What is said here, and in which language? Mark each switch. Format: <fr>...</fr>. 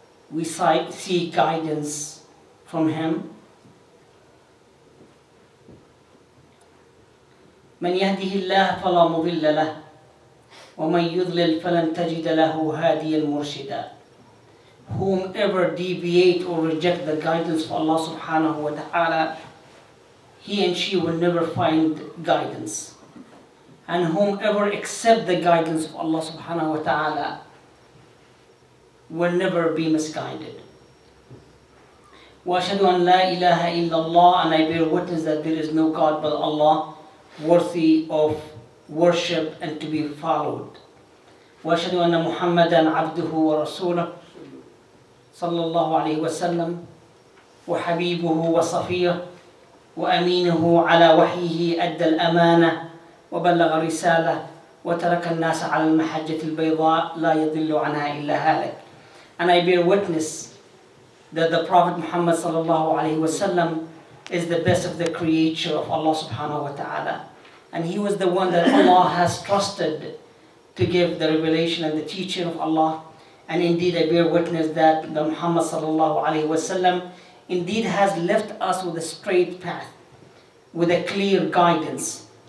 <en>We seek guidance from Him.</en> <ar>من يهده الله فلا مضل له ومن يضلل فلن تجد له هاديا مرشدا.</ar> <en>Whomever deviate or reject the guidance of Allah subhanahu wa ta'ala, he and she will never find guidance. And whomever accept the guidance of Allah subhanahu wa ta'ala will never be misguided.</en> <ar>وَأَشْهَدُ أَنْ لَا إِلَهَ إِلَّا اللَّهُ</ar> <en>And I bear witness that there is no God but Allah worthy of worship and to be followed.</en> <ar>وَأَشْهَدُ أَنَّ مُحَمَّدًا عَبْدُهُ وَرَسُولَهُ صلى الله عليه وسلم وحبيبه وصفيه وأمينه على وحيه أدى الأمانة وبلغ رسالة وترك الناس على المحجة البيضاء لا يضل عنها إلا هالك.</ar> <en>And I bear witness that the Prophet Muhammad</en> <ar>صلى الله عليه وسلم</ar> <en>is the best of the creature of Allah subhanahu wa ta'ala. And he was the one that Allah has trusted to give the revelation and the teaching of Allah. And indeed I bear witness that the Muhammad sallallahu alayhi wa sallam indeed has left us with a straight path, with a clear guidance.</en>